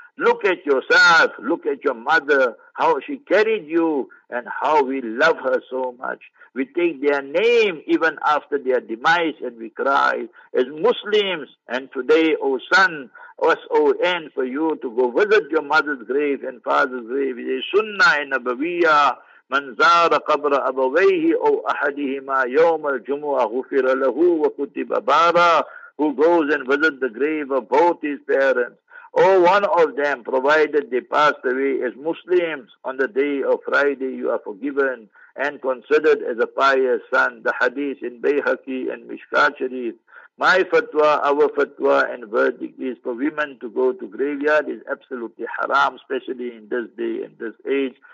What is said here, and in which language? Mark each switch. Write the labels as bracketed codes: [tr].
[en] Look at yourself, look at your mother, how she carried you and how we love her so much. We take their name even after their demise and we cry as Muslims. And today, O son, S-O-N for you to go visit your mother's grave and father's grave is a sunnah and a babiya. [ar] من زار قبر أبويه أو أحدهما يوم الجمعة غفر له وكتب بارا. [en] Who goes and visits the grave of both his parents or one of them, provided they passed away as Muslims on the day of Friday, you are forgiven and considered as a pious son. The hadith in Bayhaqi and Mishkat Sharif. My fatwa, our fatwa and verdict is for women to go to graveyard is absolutely haram, especially in this day and this age.